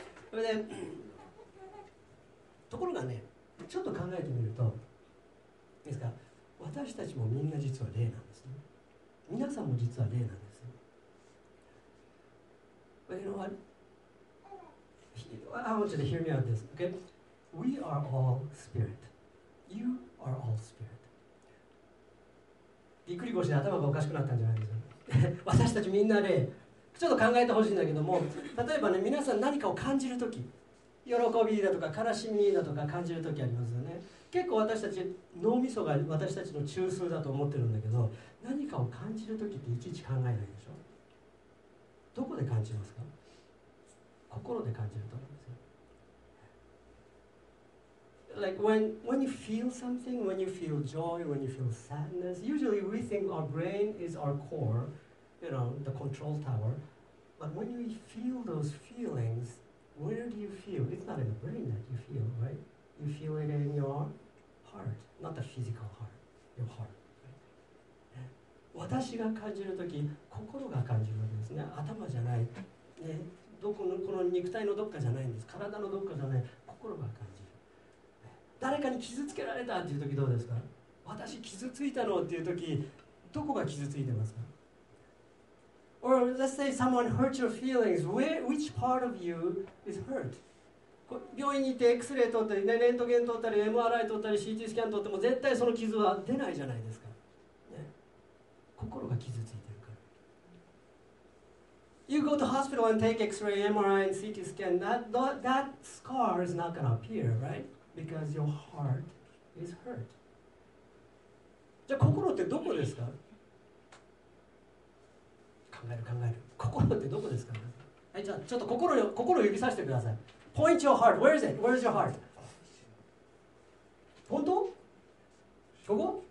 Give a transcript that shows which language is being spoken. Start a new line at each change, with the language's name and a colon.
English: But then,
Japanese: ところがね、ちょっと考えてみると、ですか、私たちもみんな実は霊なんですね。皆さんも実は霊なんですね。
English: But you know what? I want you to hear me on this, okay? We are all spirit. You are all spirit.
Japanese: びっくり腰で頭がおかしくなったんじゃないですか。私たちみんな霊。ちょっと考えてほしいんだけども、例えばね、皆さん何かを感じるとき、喜びだとか悲しみだとか感じるときありますよね。結構私たち脳みそが私たちの中枢だと思ってるんだけど、何かを感じるときっていちいち考えないでしょ。どこで感じますか。心で感じると思うんですよ。
English: Like when you feel something, when you feel joy, when you feel sadness, usually we think our brain is our core, you know, the control tower. But when you feel those feelings,Where do you feel? It's not in the brain that you feel, right? You feel it in your heart, not the physical heart, your heart.、Right?
Japanese: 私が感じるとき、心が感じるわけですね。頭じゃない、ね、どこのこの肉体のどっかじゃないんです。体のどっかじゃない、心が感じる。誰かに傷つけられたっていうときどうですか？私傷ついたのっていうとき、どこが傷ついてますか？
English: Or let's say someone hurt your feelings. Which part of you is hurt?
Japanese: 病院に行って X-ray 撮ったり、ね、レントゲン撮ったり、MRI 撮ったり、CT スキャン撮っても絶対その傷は出ないじゃないですか。ね、心が傷ついてるから。
English: You go to hospital and take X-ray, MRI, and CT scan. That scar is not going to appear, right? Because your heart is hurt.
Japanese: じゃあ心ってどこですか？考える。心ってどこですか、ね、はい、じゃあちょっと心を指さしてください。
English: Point your heart. Where is it? Where is your heart?
Japanese: 本当？ここ？